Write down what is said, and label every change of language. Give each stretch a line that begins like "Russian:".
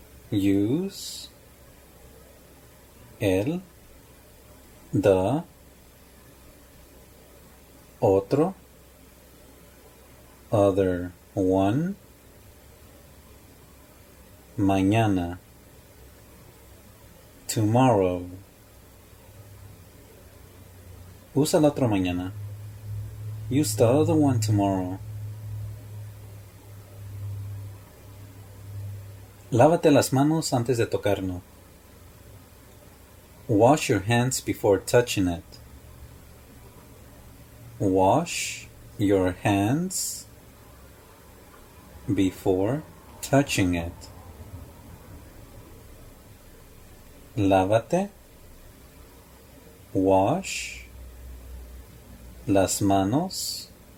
English: Use
Spanish: el
English: the
Spanish: otro
English: other one
Spanish: mañana
English: tomorrow.
Spanish: Usa el otro mañana.
English: Use the other one tomorrow.
Spanish: Lávate las manos antes de tocarlo.
English: Wash your hands before touching it. Wash your hands before touching it.
Spanish: Lávate.
English: Wash
Spanish: las manos.